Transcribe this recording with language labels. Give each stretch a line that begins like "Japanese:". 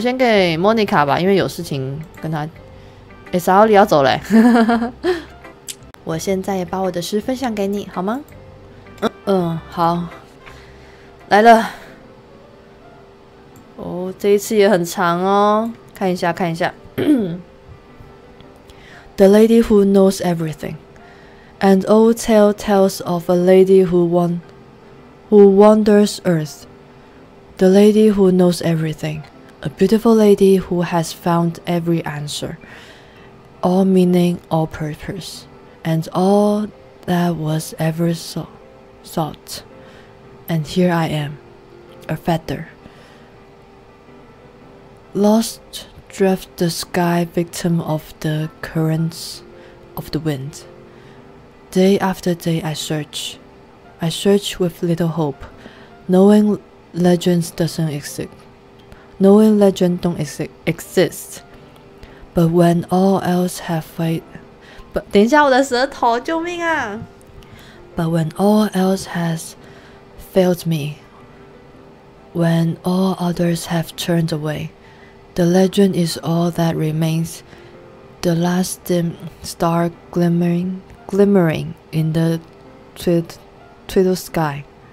Chinese: 先给莫妮卡吧，因为有事情跟她。莎奥里要走嘞。我现在也把我的诗分享给你好吗？好，来了。哦，这一次也很长哦，看一下。
English: The lady who knows everything, an old tale tells of a lady who wanders earth. The lady who knows everything, a beautiful lady who has found every answer, all meaning, all purpose, and all that was ever sought. And here I am, a feather. Lost drift the sky victim of the currents of the wind. Day after day I search with little hope, knowing legends doesn't exist, knowing legend don't exist. But when all else have failed,
Chinese: 等一下我的舌头，救命啊！
English: But when all else has failed me, when all others have turned away,The legend is all that remains, the last dim star glimmering in the twiddle sky.